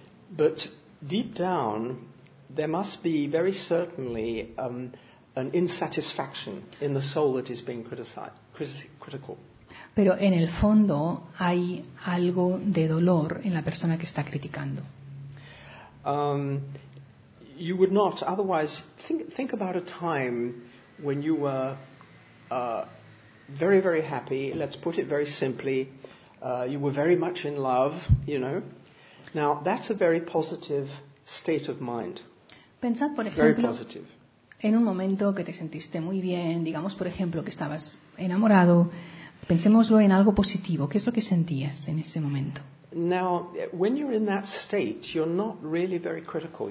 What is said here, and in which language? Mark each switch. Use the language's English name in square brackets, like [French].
[English] But deep down, there must be very certainly an insatisfaction in the soul that is being critical. [Spanish] Pero en el fondo hay algo de dolor en la persona que está criticando. [English] You would not otherwise think about a time when you were very, very happy. Let's put it very simply, you were very much in love, you know. Now that's a very positive state of mind. [Spanish] Pensad, por ejemplo, [English] very positive. [Spanish] En un momento que te sentiste muy bien, digamos, por ejemplo, que estabas enamorado, pensémoslo en algo positivo. ¿Qué es lo que sentías en ese momento? [English] Now, when you're in that state, you're not really very critical.